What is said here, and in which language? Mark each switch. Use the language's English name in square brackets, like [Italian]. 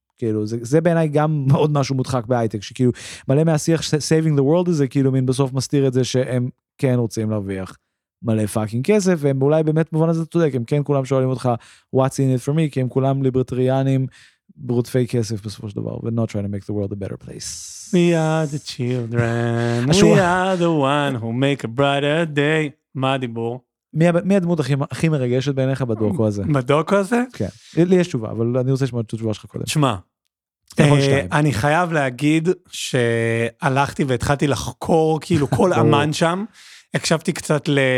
[Hebrew] כאילו, זה בעיניי גם עוד משהו מודחק בהייטק, שכאילו, מלא מהשיח [English] saving the world [Hebrew] הזה, כאילו מין, בסוף מסתיר את זה שהם כן רוצים להרוויח מלא פאקינג כסף, והם אולי באמת במובן הזה תודק, הם כן כולם שואלים אותך, [English] what's in it for me, [Hebrew] כי הם כולם ליברטריאנים, ברוטפי כסף בסופו של דבר, [English] we're not trying to make the world a better place. We are the children, we are the one who make a brighter day. [Hebrew] מה הדיבור? מי הדמות הכי מרגשת בעיניך בדוקו הזה? בדוקו הזה? כן. לי יש תשובה, אבל אני רוצה לשמוע את התשובה שלך קודם. שמה. אני חייב להגיד, שהלכתי והתחלתי לחקור, כאילו כל אמן שם, הקשבתי קצת